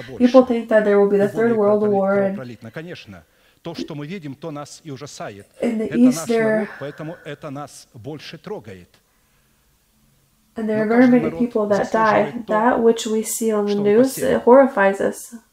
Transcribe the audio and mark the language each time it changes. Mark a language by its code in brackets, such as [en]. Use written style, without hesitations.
[en] People think that there will be the Third World War, and [ru] то, что мы видим, то нас и ужасает. [en] In the East, there, [ru] поэтому это нас больше трогает. [en] And there are very many people that die. That which we see on the news, it horrifies us.